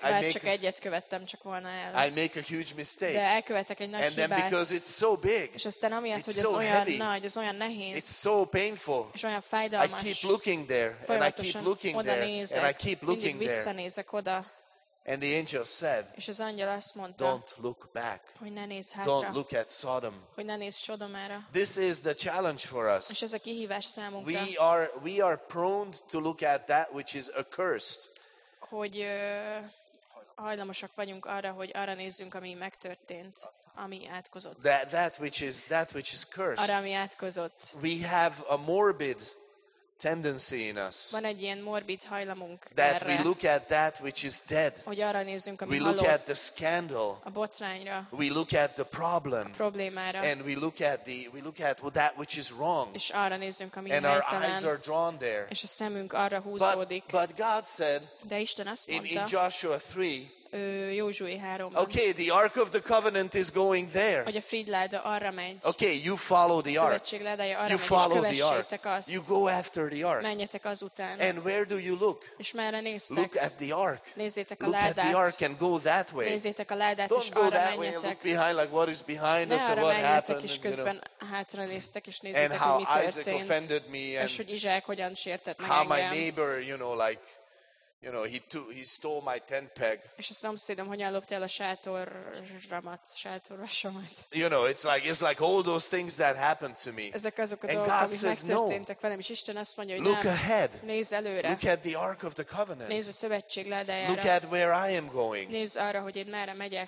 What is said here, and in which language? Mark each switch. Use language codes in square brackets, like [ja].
[hu] csak egyet követtem, csak volna el. [en] I make a huge mistake. [hu] De elkövetek egy nagy [en] and [hu] hibát. [en] And then because it's so big. [hu] És aztán amiatt, hogy ez olyan nagy, ez olyan nehéz. [en] It's so painful. [hu] És olyan fájdalmas. [en] I keep looking there and I keep looking there and I keep looking there. [hu] Mindig visszanézek oda. [en] And the angel said, [hu] és az angyal azt mondta, [en] don't look back. [hu] Hogy ne nézz hátra. [en] Don't look at Sodom. [hu] Hogy ne nézz Sodomára. [en] This is the challenge for us. [hu] És ez a kihívás számunkra. [en] We are prone to look at that which is accursed. [hu] Hogy hajlamosak vagyunk arra, hogy arra nézzünk, ami megtörtént, ami átkozott. [en] That which is cursed. [hu] Arra, ami átkozott. [en] We have a morbid tendency in us. [hu] Van egy ilyen morbid hajlamunk erre. [en] That we look at that which is dead. [hu] Hogy arra nézzünk, ami [en] we look at the scandal. [hu] A botrányra. [en] We look at the problem. [hu] A problémára. [en] And we look at well, that which is wrong. [hu] És arra nézzünk, ami helytelen. [en] And our eyes are drawn there. [hu] És a szemünk arra húzódik. [en] But God said. [hu] De Isten azt mondta. [en] In Joshua 3. [hu] Józsué 3-ban. [en] Okay, the Ark of the Covenant is going there. [hu] Hogy a fridláda arra megy. [en] Okay, you follow the Ark. [hu] Szövetség ládája arra [en] you [hu] megy, [en] follow the Ark. [hu] Azt. [en] You go after the Ark. [hu] Menjetek azután. [en] And where do you look? [hu] És merre néztek? [en] Look at the Ark. [hu] Nézzétek a [en] look [hu] ládát. [en] At the Ark and go that way. [hu] Nézzétek a ládát, [en] don't [hu] és [en] go [hu] arra [en] that [hu] menjetek. [en] Way and look behind, like what is behind [hu] ne [en] us and what happened. [hu] És közben [en] you know. [hu] Hátra néztek, és nézzétek, [en] and how [hu] mi [en] Isaac [hu] történt. [en] Offended me and [hu] és hogy Izsák hogyan sértett meg engem. [en] How my neighbor, you know, like you know, he stole my tent peg. [hu] És a szomszédom hogyan lopta el a sátorramat, sátorvasomat. [en] You know, it's like all those things that happened to me. [hu] Ezek azok a dolgok, amik megtörténtek velem, és Isten azt mondja, hogy [en] look ahead. [hu] Nézz előre. [en] Look at the Ark of the Covenant. [hu] Nézz a szövetség ládájára. [en] Look at where I am going. [hu] Nézz arra, hogy én merre megyek.